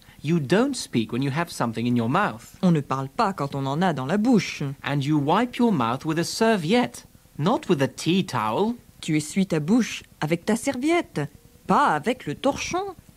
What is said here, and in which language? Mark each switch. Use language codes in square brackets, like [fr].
[en] You don't speak when you have something in your mouth. [fr] On ne parle pas quand on en a dans la bouche. [en] And you wipe your mouth with a serviette. Not with a tea towel. [fr] Tu essuies ta bouche avec ta serviette, pas avec le torchon.